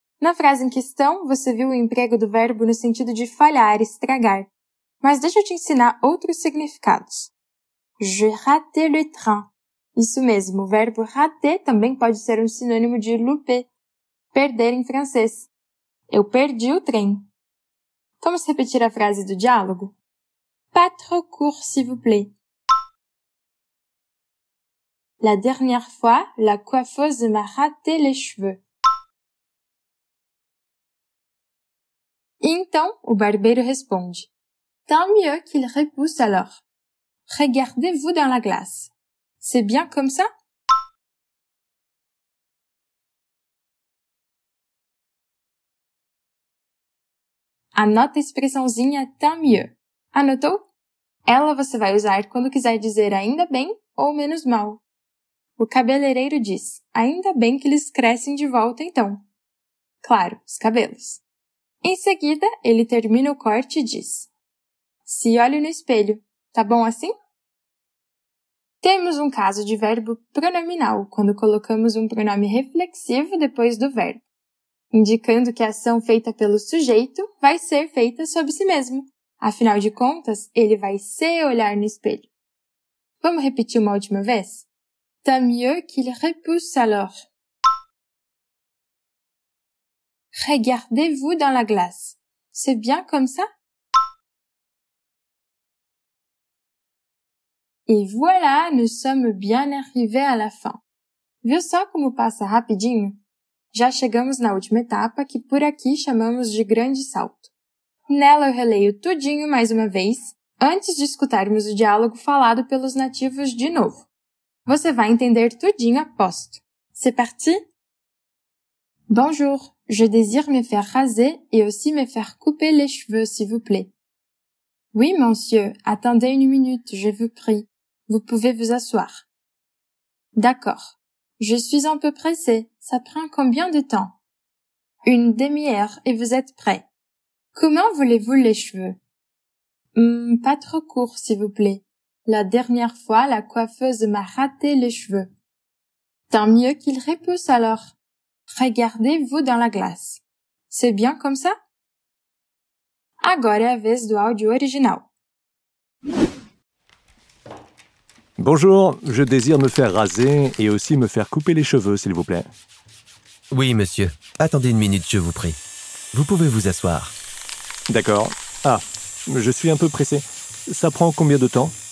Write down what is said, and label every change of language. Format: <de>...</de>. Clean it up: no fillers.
<pt>Na frase em questão, você viu o emprego do verbo no sentido de falhar, estragar. Mas deixa eu te ensinar outros significados.</pt> <fr>Je raté le train.</fr> <pt>Isso mesmo, o verbo rater também pode ser um sinônimo de louper, perder em francês. Eu perdi o trem. Vamos repetir a frase do diálogo?</pt> <fr>Pas trop court, s'il vous plaît. La dernière fois, la coiffeuse m'a raté les cheveux.</fr> <pt>E então, o barbeiro responde.</pt> <fr>Tant mieux qu'il repousse alors. Regardez-vous dans la glace. C'est bien comme ça?</fr> <pt>Anota a expressãozinha tant mieux. Anotou? Ela você vai usar quando quiser dizer ainda bem ou menos mal. O cabeleireiro diz, ainda bem que eles crescem de volta então. Claro, os cabelos. Em seguida, ele termina o corte e diz, se olhe no espelho, tá bom assim? Temos um caso de verbo pronominal, quando colocamos um pronome reflexivo depois do verbo, indicando que a ação feita pelo sujeito vai ser feita sobre si mesmo. Afinal de contas, ele vai se olhar no espelho. Vamos repetir uma última vez?</pt> <fr>Tant mieux qu'il repousse alors. Regardez-vous dans la glace. C'est bien comme ça? Et voilà, nous sommes bien arrivés à la fin.</fr> <pt>Viu só como passa rapidinho? Já chegamos na última etapa, que por aqui chamamos de grande salto. Nela eu releio tudinho mais uma vez, antes de escutarmos o diálogo falado pelos nativos de novo. Você vai entender tudinho aposto.</pt> <fr>C'est parti? Bonjour, je désire me faire raser et aussi me faire couper les cheveux, s'il vous plaît. Oui, monsieur, attendez une minute, je vous prie. Vous pouvez vous asseoir. D'accord. Je suis un peu pressée. Ça prend combien de temps? Une demi-heure et vous êtes prêt. Comment voulez-vous les cheveux? Pas trop court, s'il vous plaît. La dernière fois, la coiffeuse m'a raté les cheveux. Tant mieux qu'il repousse alors. Regardez-vous dans la glace. C'est bien comme ça?</fr> <pt>Agora é a vez do áudio original.</pt> <fr>Bonjour, je désire me faire raser et aussi me faire couper les cheveux, s'il vous plaît. Oui, monsieur. Attendez une minute, je vous prie. Vous pouvez vous asseoir. D'accord. Ah, je suis un peu pressé. Ça prend combien de temps?</fr>